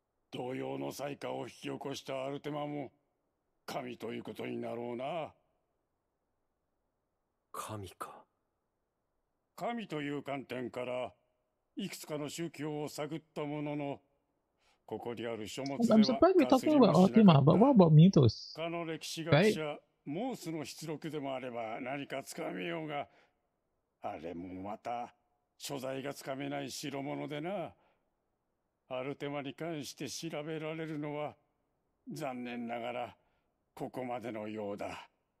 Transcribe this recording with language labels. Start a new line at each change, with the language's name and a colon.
Japanese: 同様の災禍を引き起こしたアルテマも神ということになろうな。神か。神という観点からいくつかの宗教を探ったものの、ここにある書物では
English: 、I'm surprised we're talking about Otima, but what about Mythos?
Japanese: 他の歴史学者、モースの出力でもあれば何かつかめようが、あれもまた所在がつかめない代物でな。アルテマに関して調べられるのは残念ながらここまでのようだ。